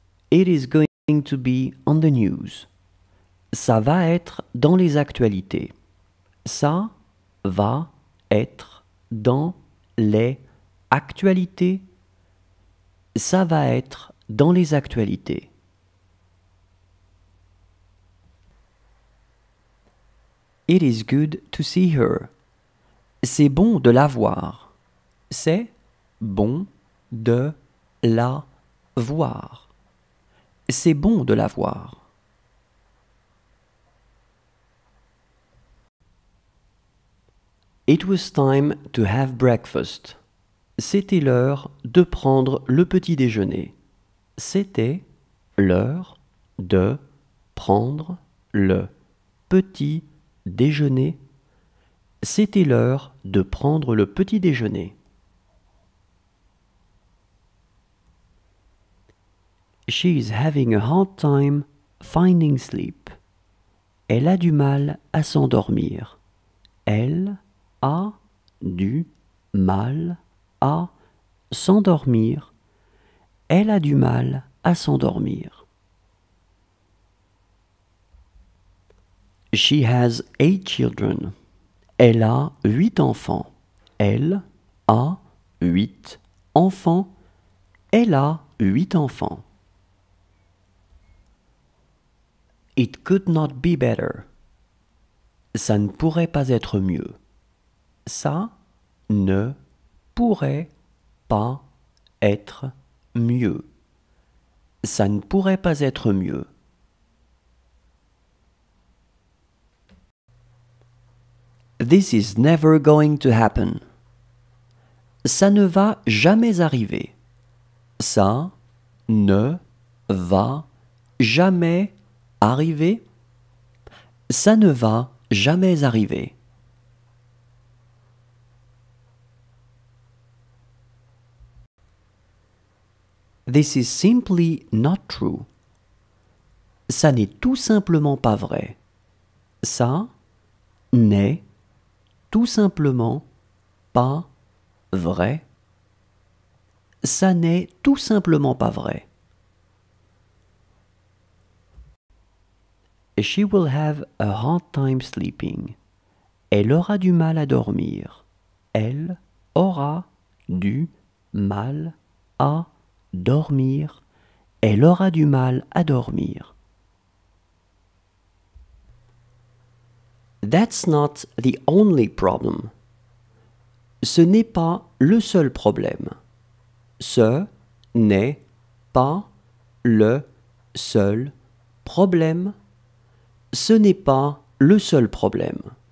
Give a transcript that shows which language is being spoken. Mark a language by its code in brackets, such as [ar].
[en] It is going to be on the news. [fr] Ça va être dans les actualités. Ça va être dans les actualités. Ça va être dans les actualités. [en] It is good to see her. [fr] C'est bon de la voir. C'est bon de la voir. C'est bon de la voir. [en] It was time to have breakfast. [fr] C'était l'heure de prendre le petit déjeuner. C'était l'heure de prendre le petit déjeuner. C'était l'heure de prendre le petit déjeuner. [en] She is having a hard time finding sleep. [fr] Elle a du mal à s'endormir. Elle a du mal à s'endormir. Elle a du mal à s'endormir. [en] She has 8 children. [fr] Elle a 8 enfants. Elle a 8 enfants. Elle a 8 enfants. [en] It could not be better. [fr] Ça ne pourrait pas être mieux. Ça ne pourrait pas être mieux. Ça ne pourrait pas être mieux. [en] This is never going to happen. [fr] Ça ne va jamais arriver. Ça ne va jamais arriver. Ça ne va jamais arriver. [en] This is simply not true. [fr] Ça n'est tout simplement pas vrai. Ça n'est tout simplement pas vrai. Ça n'est tout simplement pas vrai. [en] She will have a hard time sleeping. [fr] Elle aura du mal à dormir. Elle aura du mal à dormir. Elle aura du mal à dormir. [en] That's not the only problem. [fr] Ce n'est pas le seul problème. Ce n'est pas le seul problème. Ce n'est pas le seul problème.